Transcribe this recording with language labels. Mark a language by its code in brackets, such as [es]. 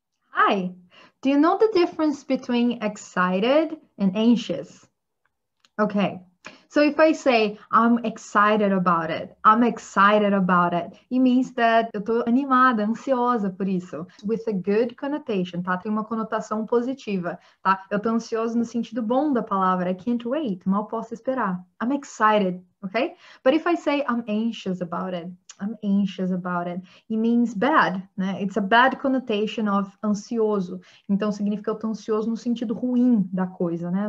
[en] Hi, do you know the difference between excited and anxious? Okay, so if I say I'm excited about it, I'm excited about it, it means that [pt] eu tô animada, ansiosa por isso. [en] With a good connotation, [pt] tá? Tem uma conotação positiva, tá? Eu tô ansioso no sentido bom da palavra. [en] I can't wait, [pt] mal posso esperar. [en] I'm excited, okay? But if I say I'm anxious about it, I'm anxious about it. It means bad, né? It's a bad connotation of ansioso. [pt] Então, significa eu tô ansioso no sentido ruim da coisa, né?